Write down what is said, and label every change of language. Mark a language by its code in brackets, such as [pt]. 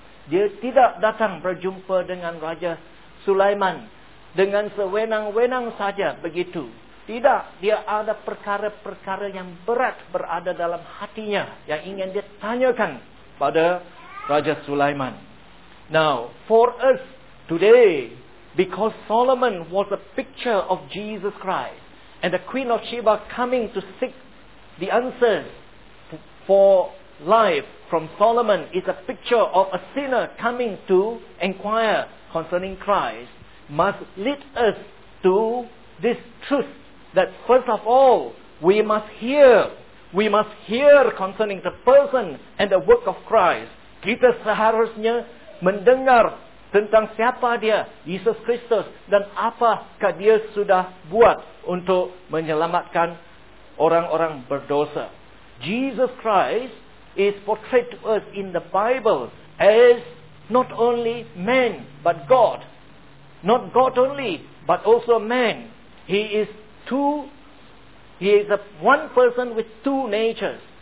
[ms] Dia tidak datang berjumpa dengan Raja Sulaiman dengan sewenang-wenang saja begitu. Tidak, dia ada perkara-perkara yang berat berada dalam hatinya yang ingin dia tanyakan pada Raja Sulaiman. [en] Now, for us today, because Solomon was a picture of Jesus Christ, and the Queen of Sheba coming to seek the answers for life from Solomon is a picture of a sinner coming to inquire concerning Christ, must lead us to this truth that first of all, we must hear concerning the person and the work of Christ. [ms] Kita seharusnya mendengar tentang siapa dia, Yesus Kristus, dan apakah dia sudah buat untuk menyelamatkan orang-orang berdosa. [en] Jesus Christ is portrayed to us in the Bible as not only man, but God. Not God only, but also man. He is a one person with two natures.